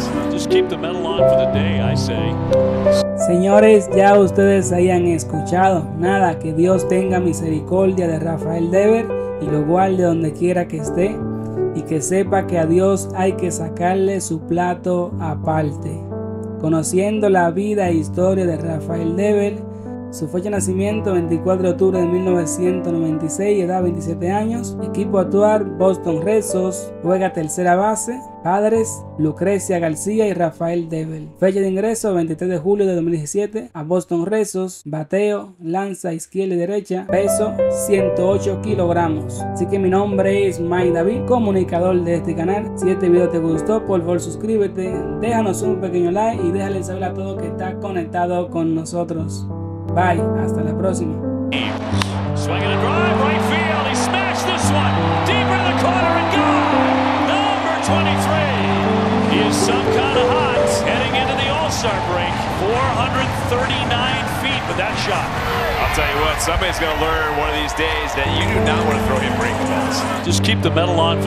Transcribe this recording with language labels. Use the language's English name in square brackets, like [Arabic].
[English] Just keep the metal on for the day, I say. [Spanish] Señores, ya ustedes hayan escuchado. Nada, que Dios tenga misericordia de Rafael Devers y lo guarde donde quiera que esté. Y que sepa que a Dios hay que sacarle su plato aparte. Conociendo la vida e historia de Rafael Devers, su fecha de nacimiento, 24 de octubre de 1996, edad 27 años, equipo actual Boston Red Sox, juega tercera base, padres Lucrecia García y Rafael Devers. Fecha de ingreso, 23 de julio de 2017, a Boston Red Sox, bateo, lanza izquierda y derecha, peso 108 kilogramos. Así que mi nombre es Mike David, comunicador de este canal. Si este video te gustó, por favor suscríbete, déjanos un pequeño like y déjale saber a todo que está conectado con nosotros. [English] Bye, [Spanish] hasta la próxima. [English] Swing and a drive, right field. He smashed this one. Deep in the corner and gone. Number 23. He is some kind of hot heading into the All-Star break. 439 feet with that shot. I'll tell you what, somebody's going to learn one of these days that you do not want to throw him breaking balls. Just keep the metal on for the